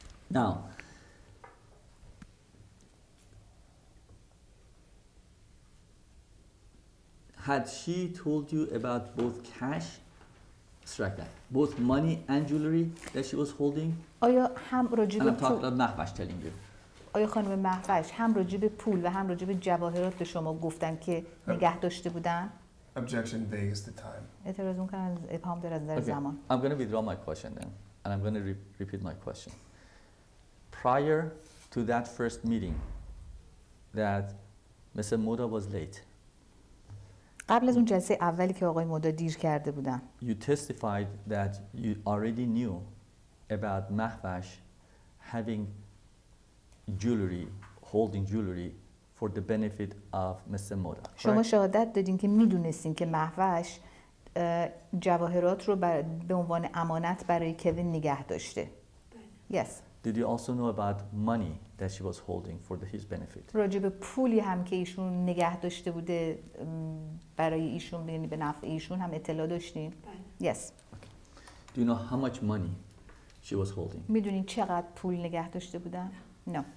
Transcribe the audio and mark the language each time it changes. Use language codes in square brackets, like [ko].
[en] Now, had she told you about both cash, strike that, both money and jewelry that she was holding? [fa] آیا هم راجب پول؟ [en] I'm talking about Mahfash telling you. [fa] آیا خانم مهفش هم راجب پول و هم راجب جواهرات به شما گفتن که نگه داشته بودن؟ [en] Objection, vague is the time. [fa] اعتراض میکنن ابهام داره از نظر زمان. [en] I'm going to withdraw my question then, and I'm going to repeat my question. Prior to that first meeting, that Mr. Moda was late. [fa] قبل از اون جلسه اولی که آقای مودا دیر کرده بودن. [en] You testified that you already knew about Mahfash having jewelry, holding jewelry for the benefit of Mr. Moda. [fa] شما شهادت دادین که میدونستین که مهوش جواهرات رو به عنوان امانت برای کوین نگه داشته. [en] Yes. Did you also know about money that she was holding for his benefit? [fa] راجع به پولی هم که ایشون نگه داشته بوده برای ایشون یعنی به نفع ایشون هم اطلاع داشتین؟ [en] Yes. Okay. Do you know how much money she was holding? [fa] میدونین چقدر پول نگه داشته بودن؟ [en] No.